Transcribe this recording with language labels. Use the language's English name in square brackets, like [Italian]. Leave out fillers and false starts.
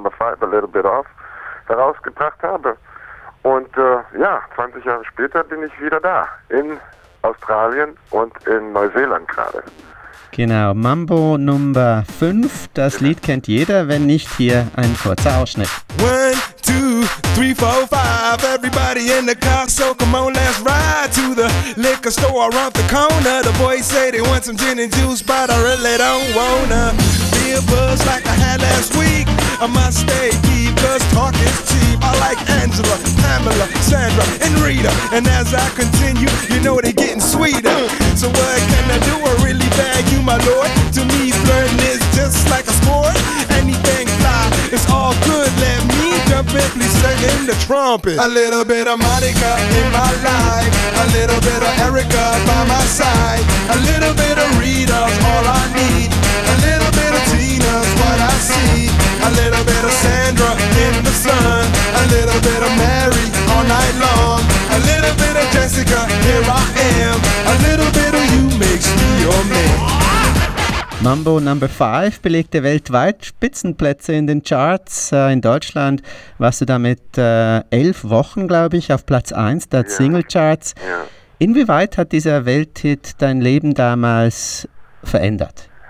[German] 5, A Little Bit Off, herausgebracht habe. Und 20 Jahre später bin ich wieder da, in Australien und in Neuseeland gerade. Genau, Mambo No. 5, das Lied kennt jeder, wenn nicht hier ein kurzer Ausschnitt. [English] 1, 2, 3, 4, 5, everybody in the car, so come on, let's ride to the liquor store around the corner. The boys say they want some gin and juice, but I really don't wanna be a buzz like I had last week. I must stay deep, cause talk is cheap. I like Angela, Pamela, Sandra, and Rita. And as I continue, you know they're getting sweeter. So what can I do? I really beg you, my lord. To me, flirting is just like a sport. Anything fly, it's all good, let me. Singing the trumpet. A little bit of Monica in my life, a little bit of Erica by my side, a little bit of Rita's all I need, a little bit of Tina's what I see, a little bit of Sandra in the sun, a little bit of Mary all night long, a little bit of Jessica, here I am, a little bit of you makes me your man. [German] Mambo No. 5 belegte weltweit Spitzenplätze in den Charts. In Deutschland warst du damit 11 Wochen, glaube ich, auf Platz 1 der Single-Charts. Ja. Inwieweit hat dieser Welthit dein Leben damals verändert?